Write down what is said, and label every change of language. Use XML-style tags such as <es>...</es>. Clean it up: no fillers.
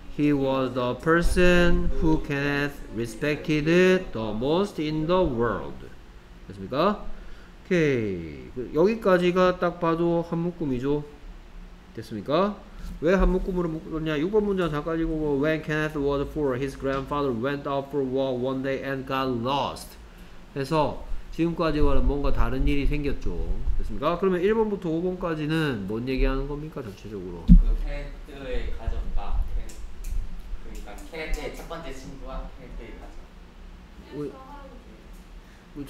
<en>He was the person who Kenneth respected the most in the world.</en> <ko>됐습니까? 오케이. 여기까지가 딱 봐도 한 묶음이죠. 됐습니까? 왜 한 묶음으로 묶었냐? 6번 문장 잠깐 읽어보고</ko> <en>When Kenneth was four, his grandfather went out for a walk one day and got lost.</en> <ko>해서 지금까지와는 뭔가 다른 일이 생겼죠. 됐습니까? 그러면 1번부터 5번까지는 뭔 얘기하는 겁니까? 전체적으로. 케네스의 가족과 그러니까 케네스의 첫 번째 친구와 케네스의 가족.</ko>